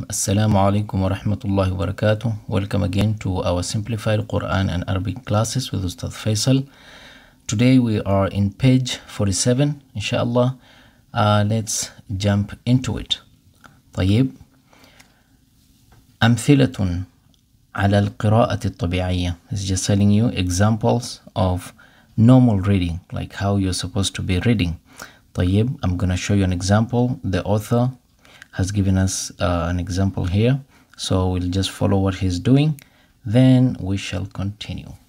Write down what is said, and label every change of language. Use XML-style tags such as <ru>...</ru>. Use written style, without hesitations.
<ar>السلام عليكم ورحمة الله وبركاته.</ar> <en>Welcome again to our simplified Quran and Arabic classes with Ustaz Faisal. Today we are in page 47, inshallah. Let's jump into it. طيب.</en> <ar>أمثلة على القراءة الطبيعية.</ar> <en>It's just telling you examples of normal reading, like how you're supposed to be reading. طيب. I'm going to show you an example. The author has given us an example here, so we'll just follow what he's doing, then we shall continue.</en>